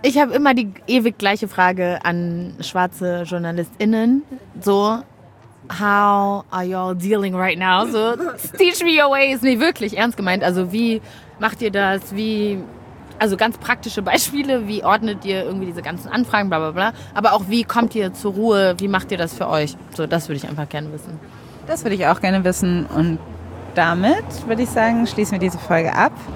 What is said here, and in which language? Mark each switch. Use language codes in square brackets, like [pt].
[de] Ich habe immer die ewig gleiche Frage an schwarze JournalistInnen. [en] So, how are y'all dealing right now? So, teach me your ways. [de] Nee, wirklich, ernst gemeint. Also, wie macht ihr das? Wie, also ganz praktische Beispiele. Wie ordnet ihr irgendwie diese ganzen Anfragen, bla bla bla. Aber auch, wie kommt ihr zur Ruhe? Wie macht ihr das für euch? So, das würde ich einfach gerne wissen. Das würde ich auch gerne wissen und damit würde ich sagen, schließen wir diese Folge ab.